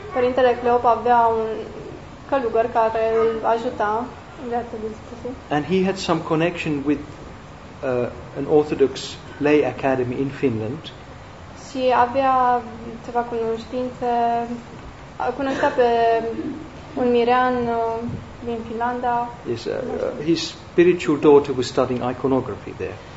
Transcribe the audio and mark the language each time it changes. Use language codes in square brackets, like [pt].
[ro] Părintele Cleop avea un călugăr care îl ajuta în viața de zi cu zi. [en] And he had some connection with an Orthodox lay academy in Finland. [ro] Și avea ceva cunoștințe, cunoștea pe un mirean din Finlanda. [en] Yes, his spiritual daughter was studying iconography there.